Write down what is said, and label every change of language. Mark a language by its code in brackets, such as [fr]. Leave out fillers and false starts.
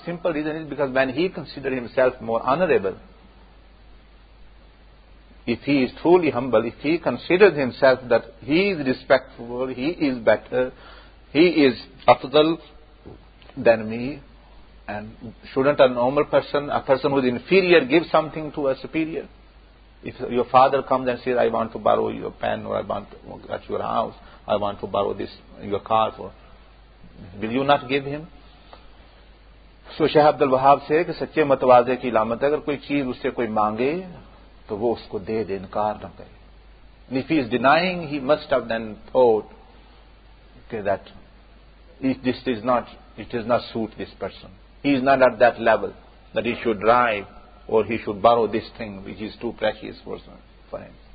[en] Simple reason is because when he considers himself more honorable, if he is truly humble, if he considers himself that he is respectful, he is better, he is afdal than me, and shouldn't a normal person, a person who is inferior, give something to a superior? If your father comes and says, I want to borrow your pen, or I want to at your house, I want to borrow this, your car, or will you not give him? So Shaykh Abdul Wahab say [ur] کہ سچے متوازے کی علامت ہے, اگر کوئی چیز اس سے کوئی مانگے تو وہ اس کو دے دے, انکار نہ کرے. [en] If he is denying, he must have then thought that it does not suit this person. He is not at that level that he should drive or he should borrow this thing which is too precious for him.